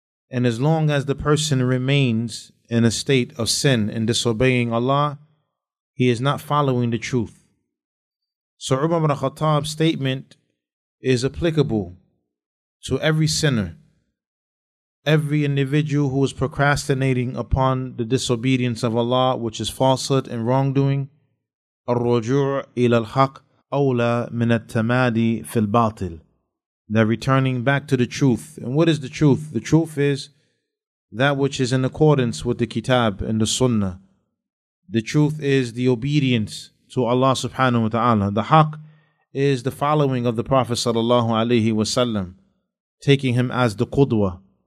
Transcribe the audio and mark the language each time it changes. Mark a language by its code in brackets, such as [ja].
[en] And as long as the person remains in a state of sin and disobeying Allah, he is not following the truth. So Umar ibn Khattab's statement is applicable to every sinner, every individual who is procrastinating upon the disobedience of Allah, which is falsehood and wrongdoing. [ar] الرجوع إلى الحق أولى من التمادي في الباطل. [en] They're returning back to the truth. And what is the truth? The truth is that which is in accordance with the Kitab and the Sunnah. The truth is the obedience to Allah subhanahu wa ta'ala. The haq is the following of the Prophet sallallahu alayhi wa sallam, taking him as the qudwa.